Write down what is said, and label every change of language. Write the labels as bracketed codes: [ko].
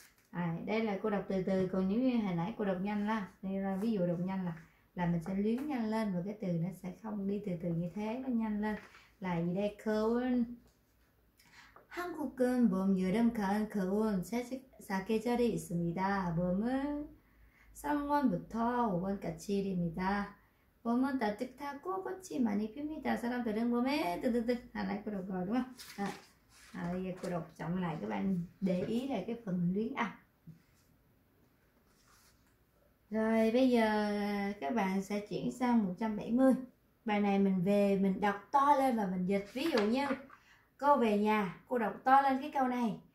[vi] À, đây là cô đọc từ từ, còn nếu như hồi nãy cô đọc nhanh là, đây là ví dụ đọc nhanh là mình sẽ luyến nhanh lên và cái từ nó sẽ không đi từ từ như thế, nó nhanh lên là gì đây. [ko] Kyoure 한국은 봄 여름 가을 겨울 세 계절이 있습니다. 봄은 3월부터 5월까지입니다. 봄은 따뜻하고 꽃이 많이 핍니다. 사람들은 봄에 뜨뜻 하나 그런 거 [vi] đúng không? Giờ cô đọc chậm lại các bạn để ý lại cái phần luyến âm. Rồi bây giờ các bạn sẽ chuyển sang 170 Bài này mình về mình đọc to lên và mình dịch. Ví dụ như cô về nhà, cô đọc to lên cái câu này.